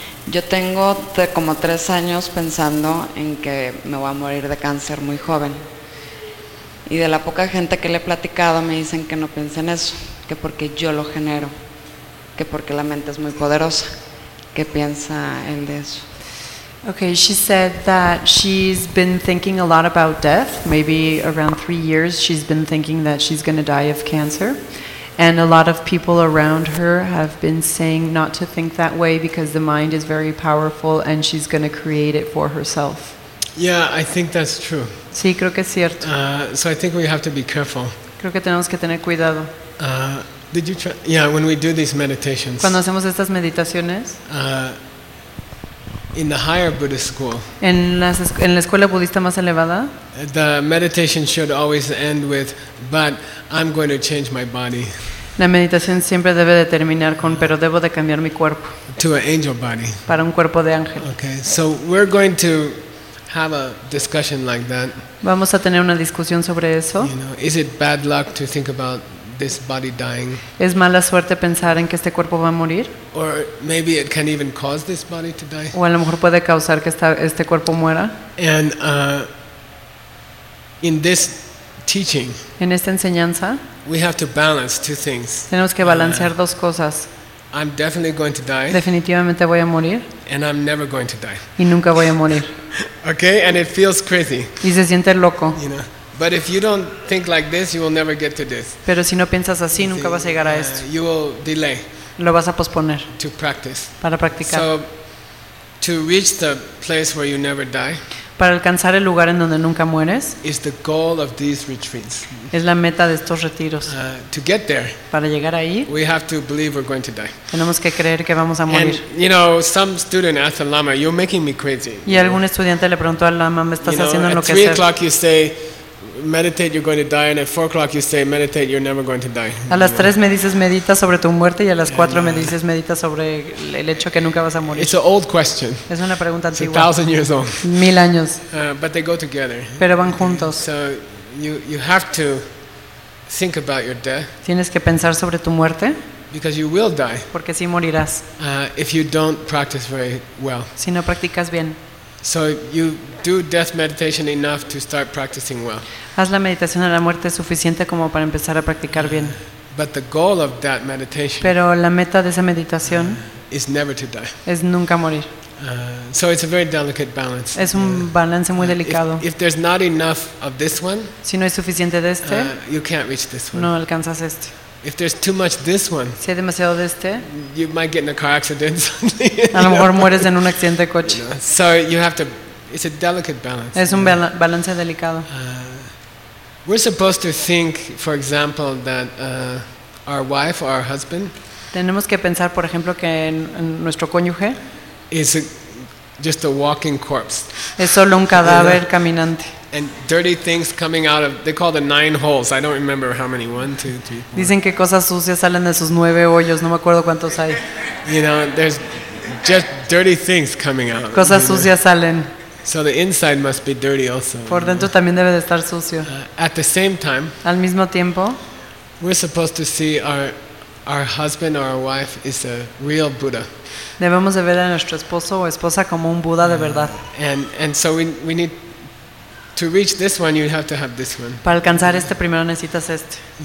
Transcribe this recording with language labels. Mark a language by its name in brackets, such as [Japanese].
[Spanish] Yo tengo como 3 años pensando en que me voy a morir de cáncer muy joven. Y de la poca gente que le he platicado me dicen que no piense en eso, que porque yo lo genero, que porque la mente es muy poderosa. ¿Qué piensa él de eso? [English] Okay, she said that she's been thinking a lot about death. Maybe around 3 years, she's been thinking that she's going to die of cancer. And a lot of people around her have been saying not to think that way because the mind is very powerful and she's going to create it for herself. Yeah, I think that's true. [Spanish] Sí, creo que es cierto. [English] So I think we have to be careful. [Spanish] Creo que tenemos que tener cuidado. [English] Did you try? Yeah, when we do these meditations. [Spanish] Cuando hacemos estas meditaciones. [English] In the higher Buddhist school. [Spanish] En la escuela budista más elevada. [English] The meditation should always end with, but I'm going to change my body. [Spanish] La meditación siempre debe de terminar con, pero debo de cambiar mi cuerpo. [English] To an angel body. [Spanish] Para un cuerpo de ángel. [English] Okay, so we're going to have a discussion like that. [Spanish] Vamos a tener una discusión sobre eso. [English] You know, is it bad luck to think about this body dying? [Spanish] ¿Es mala suerte pensar en que este cuerpo va a morir? [English] Or maybe it can even cause this body to die. [Spanish] O a lo mejor puede causar que este cuerpo muera. [English] And in this teaching, [Spanish] en esta enseñanza, [English] we have to balance two things. [Spanish] Tenemos que balancear dos cosas. [English] I'm definitely going to die. [Spanish] Definitivamente voy a morir. [English] And I'm never going to die. [Spanish] Y nunca voy a morir. [English] Okay, and it feels crazy. [Spanish] Y se siente loco. [English] You know? But if you don't think like this, you will never get to this. [Spanish] Pero si no piensas así, nunca vas a llegar a esto. [English] You will delay. [Spanish] Lo vas a posponer. [English] To practice. [Spanish] Para practicar. [English] So, to reach the place where you never die. [Spanish] Para alcanzar el lugar en donde nunca mueres. [English] Is the goal of these retreats. [Spanish] Es la meta de estos retiros. [English] To get there. [Spanish] Para llegar ahí. [English] We have to believe we're going to die. [Spanish] Tenemos que creer que vamos a morir. [English] And, you know, some student asked the Lama, "You're making me crazy." [Spanish] Y algún estudiante le preguntó al Lama, "Me estás haciendo enloquecer." [English] At 3 o'clock, you say, meditate, you're going to die, and at 4 o'clock you say, meditate, you're never going to die. [Spanish] A las 3 me dices medita sobre tu muerte y a las 4 me dices medita sobre el hecho que nunca vas a morir. [English] It's an old question. [Spanish] Es una pregunta antigua. [English] It's 1,000 years old. [Spanish] 1,000 años. [English] But they go together. [Spanish] Pero van juntos. [English] So you have to think about your death. [Spanish] Tienes que pensar sobre tu muerte. [English] Because you will die. [Spanish] Porque sí morirás. [English] If you don't practice very well. [Spanish] Si no practicas bien. [English] So you do death meditation enough to start practicing well. [Spanish] Haz la meditación de la muerte suficiente como para empezar a practicar bien. [English] But the goal of that meditation. [Spanish] Pero la meta de esa meditación. [English] Is never to die. [Spanish] Es nunca morir. [English] So it's a very delicate balance. [Spanish] Es un balance muy delicado. [English] If there's not enough of this one, [Spanish] si no hay suficiente de este, [English] you can't reach this one. [Spanish] No alcanzas este. [English] If there's too much this one, [Spanish] si hay demasiado de este, [English] you might get in a car accident. [Spanish] A lo mejor mueres en un accidente de coche. [English] You know? So you have to. It's a delicate balance. [Spanish] Es un balance delicado. [English] We're supposed to think, for example, that our wife or our husband. [Spanish] Tenemos que pensar, por ejemplo, que en nuestro cónyuge. [English] Is a, just a walking corpse. [Spanish] Es solo un cadáver caminante. [English] And dirty things coming out of, they call the 9 holes. I don't remember how many. 1, 2, 3. [Spanish] Dicen que cosas sucias salen de sus 9 hoyos. No me acuerdo cuántos hay. [English] You know, there's just dirty things coming out. [Spanish] Cosas sucias salen. [English] So the inside must be dirty also. [Spanish] Por dentro también debe de estar sucio. [English] At the same time. [Spanish] Al mismo tiempo. [English] We're supposed to see our husband or our wife is a real Buddha. [Spanish] Debemos de ver a nuestro esposo o esposa como un Buda de verdad. [English] And so we need to reach this one, you have to have this one. [Spanish] Para alcanzar este primero necesitas este.